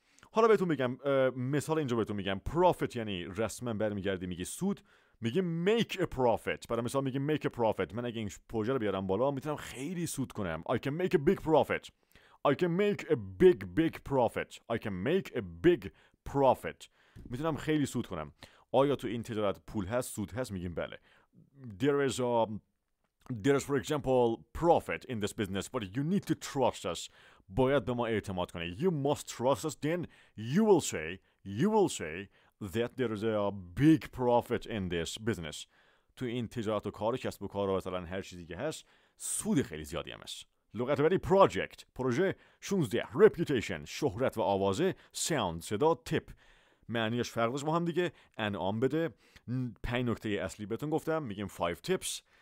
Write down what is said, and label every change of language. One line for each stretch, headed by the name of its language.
Persian: حالا بهتون میگم مثال، اینجا بهتون میگم profit یعنی رسمن برمیگردی میگی سود، میگی
English: make a profit.
Persian: برای مثال میگی
English: make a profit،
Persian: من اگه این پروژه رو بیارم بالا میتونم خیلی سود کنم.
English: I can make a big profit. I can make a big profit. I can make a big profit.
Persian: میتونم خیلی سود کنم. آیا تو این تجارت پول هست؟ سود هست؟ میگیم بله.
English: There is for example profit in this business, but you need to trust us.
Persian: باید به ما اعتماد کنی.
English: You must trust us, then you will say that there is a big profit in this business.
Persian: تو این تجارت و کار کسب و کار و مثلا هر چیزی که هست سود خیلی زیادی هم هست. لغت بعدی project. پروژه. 16. reputation. شهرت و آوازه. sound. صدا. tip. معنیش فرق داشت با هم دیگه. انعام بده. 5 نکته اصلی بهتون گفتم. میگیم 5 tips.